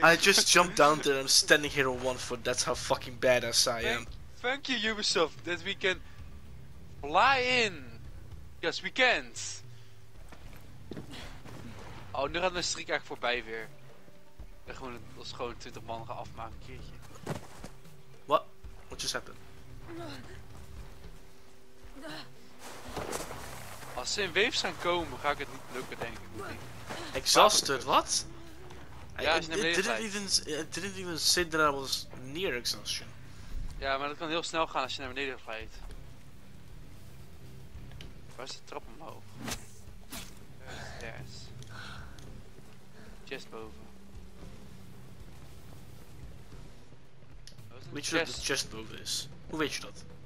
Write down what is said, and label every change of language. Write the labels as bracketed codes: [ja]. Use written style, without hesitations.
[en] I just jumped down there and I'm standing here on 1 foot. That's how fucking badass I am. Thank you, Ubisoft, that we can fly in. Yes, we can't. [nl] Oh, nu gaat mijn streak eigenlijk voorbij weer. En gewoon als gewoon 20 man gaan afmaken, een keertje. [en] What? What just happened? [nl] Als ze in waves gaan komen, ga ik het niet lukken, denk ik. [en] Exhausted, wat? [nl] Ja, [en] it didn't even say that I was near exhaustion. [nl] Ja, maar dat kan heel snel gaan als je naar beneden glijdt. Waar is de trap omhoog? Yes. Chest boven. Weet je dat de chest boven is? Hoe weet je dat?